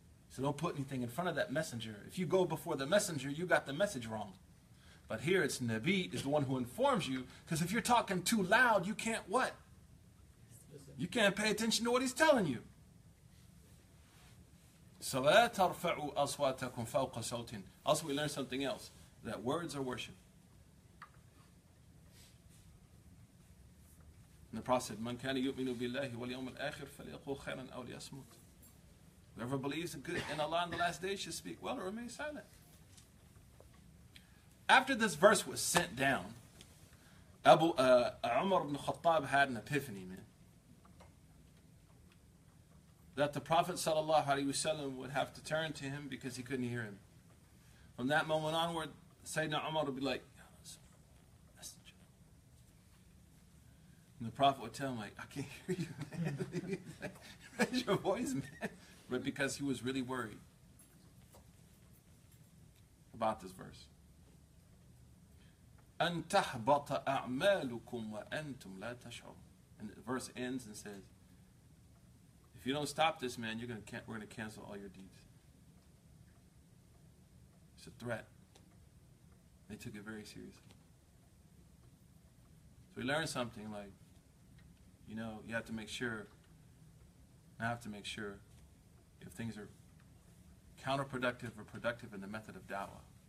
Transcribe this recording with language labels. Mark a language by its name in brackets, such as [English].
[English] So don't put anything in front of that messenger. If you go before the messenger, you got the message wrong. But here it's Nabi is the one who informs you. Because if you're talking too loud, you can't what? You can't pay attention to what he's telling you. [Arabic] So لا ترفعوا أصواتكم فوق صوت. [English] Also we learn something else. That words are worship. And the Prophet said, [Arabic] من كان يؤمن بالله واليوم الآخر فليقول خيرا أو ليصمت. [English] Whoever believes in Allah in the last day should speak well or remain silent. After this verse was sent down, Umar ibn Khattab had an epiphany, man. That the Prophet sallallahu alaihi wasallam would have to turn to him because he couldn't hear him. From that moment onward, Sayyidina Umar would be like, oh, this messenger. And the Prophet would tell him, like, I can't hear you, man. Raise your voice, man. But because he was really worried about this verse. [Arabic] أن تحبط أعمالكم وأنتم لا تشعرون. [English] And the verse ends and says, if you don't stop this, man, you're gonna we're gonna cancel all your deeds. It's a threat. They took it very seriously. So we learned something, like, you know, you have to make sure, and I have to make sure, if things are counterproductive or productive in the method of da'wah.